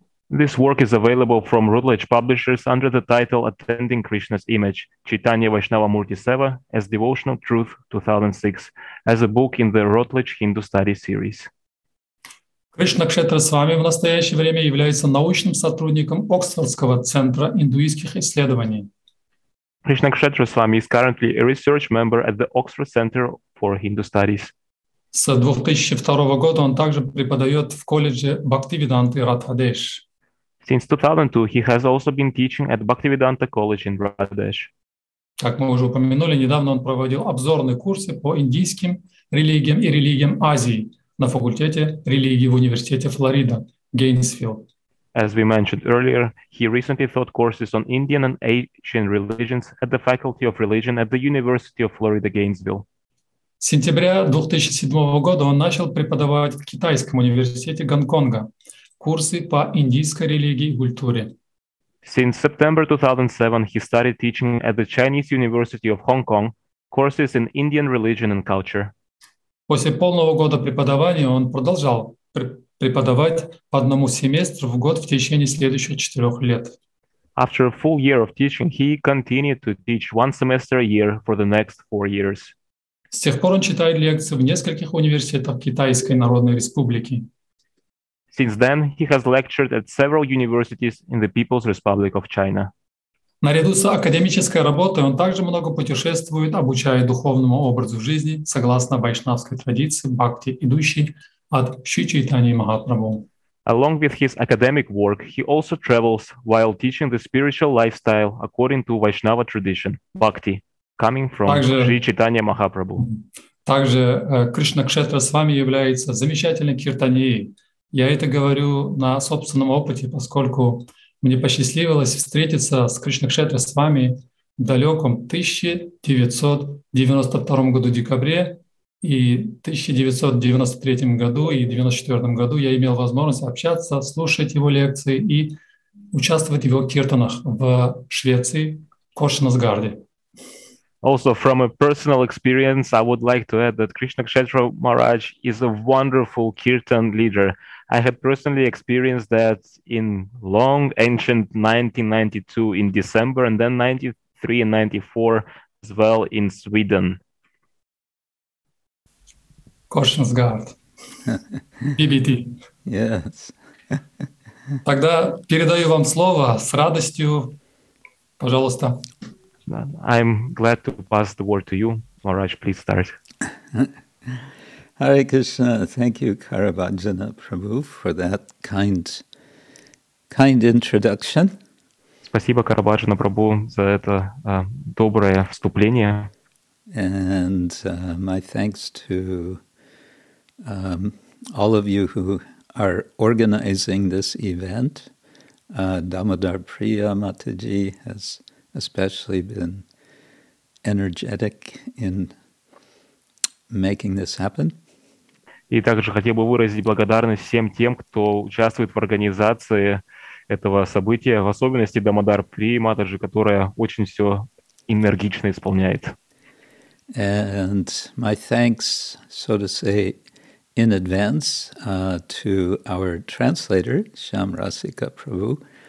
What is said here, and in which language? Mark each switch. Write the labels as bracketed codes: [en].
[en] This work is available from Routledge Publishers under the title Attending Krishna's Image, Chaitanya Vaishnava Murti Seva as Devotional Truth 2006, as a book in the Routledge Hindu Studies series. [ru] Krishna Kshetra Swami в настоящее время является научным сотрудником Оксфордского центра индуистских исследований. [en] Krishna Kshetra Swami is currently a research member at the Oxford Center for Hindu Studies. [ru] С 2002 года он также преподает в колледже Бхактивиданты Радхадеш. [en] Since 2002, he has also been teaching at Bhaktivedanta College in Radhesh. [ru] Как мы уже упомянули, недавно он проводил обзорные курсы по индийским религиям и религиям Азии на факультете религии в Университете Флорида, Гейнсвилл. [en] As we mentioned earlier, he recently taught courses on Indian and Asian religions at the Faculty of Religion at the University of Florida, Gainesville. [ru] С сентября 2007 года он начал преподавать в Китайском университете Гонконга курсы по индийской религии и культуре. [en] Since September 2007, he started teaching at the Chinese University of Hong Kong courses in Indian religion and culture. [ru] После полного года преподавания он продолжал преподавать по одному семестру в год в течение следующих 4 лет. [en] After a full year of teaching, he continued to teach one semester a year for the next 4 years. [ru] С тех пор он читает лекции в нескольких университетах Китайской Народной Республики. [en] Since then, he has lectured at several universities in the People's Republic of China. [ru] Наряду с академической работой он также много путешествует, обучая духовному образу жизни согласно вайшнавской традиции бхакти, идущей от Шри Чайтаньи Махапрабху. [en] Along with his academic work, he also travels while teaching the spiritual lifestyle according to Vaishnava tradition, bhakti, coming from Sri Chaitanya Mahaprabhu. [ru] Также Кришна Кшетра с вами является замечательной киртанией. Я это говорю на собственном опыте, поскольку мне посчастливилось встретиться с Кришна Кшетра с вами в далеком 1992 году декабре. И в 1993 году и 1994 году я имел возможность общаться, слушать его лекции и участвовать в его киртанах в Швеции, в Кошинасгарде. [en] Also, from a personal experience, I would like to add that Krishna Kshetra Maharaj is a wonderful kirtan leader. I had personally experienced that in long ancient 1992 in December and then 93 and 94 as well in Sweden. [ru] Кошинсгард. BBT. [en] Yes. [ru] Тогда передаю вам слово с радостью. Пожалуйста. [en] I'm glad to pass the word to you. Maharaj, please start. Hare Krishna. Thank you, Karabhajana Prabhu, for that kind introduction. [ru] Спасибо, Карабаджана Прабу, за это доброе вступление. [en] And my thanks to all of you who are organizing this event, Damodar Priya Mataji has especially been energetic in making this happen. [ru] И также хотел бы выразить благодарность всем тем, кто участвует в организации этого события, в особенности Дамодар Прия Матаджи, которая очень все энергично исполняет. [en] And my thanks, so to say, in advance to our translator Shyam Rasika Prabhu.